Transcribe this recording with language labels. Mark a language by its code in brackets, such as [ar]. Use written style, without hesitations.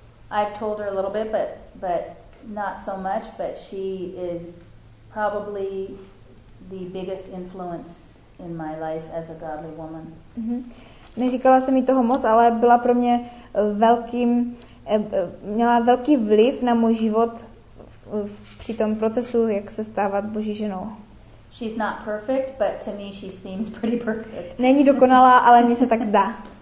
[en] I've told her a little bit, but not so much, but she is probably the biggest influence in my life as a godly woman. Mm-hmm. [cs] Neříkala se mi toho moc, ale byla pro mě velkým, měla velký vliv na můj život při tom procesu, jak se stávat Boží ženou. [en] She's not perfect, but to me she seems pretty perfect. [cs] Není dokonalá, ale mně se tak zdá.